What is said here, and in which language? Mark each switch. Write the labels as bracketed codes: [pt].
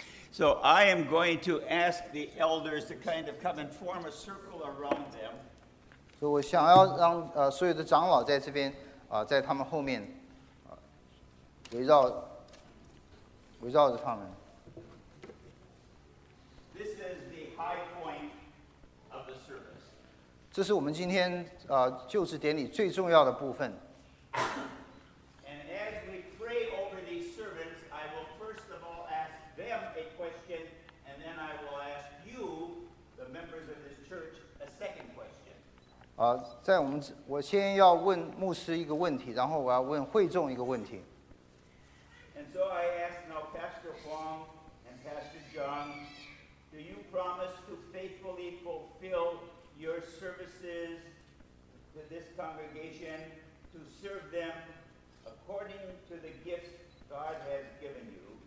[en] So I am going to ask the elders to kind of come and form a circle around them. This is the high point of the service. [zh] 这是我们今天, 就职典礼最重要的部分。 [en] And as we pray over these servants, I will first of all ask them a question, and then I will ask you, the members of this church, a second question. [zh] 我先要问牧师一个问题, 然后我要问会众一个问题。 [en] And so I ask now Pastor Huang and Pastor John, do you promise to faithfully fulfill your services to this congregation, to serve them according to the gifts God has given you?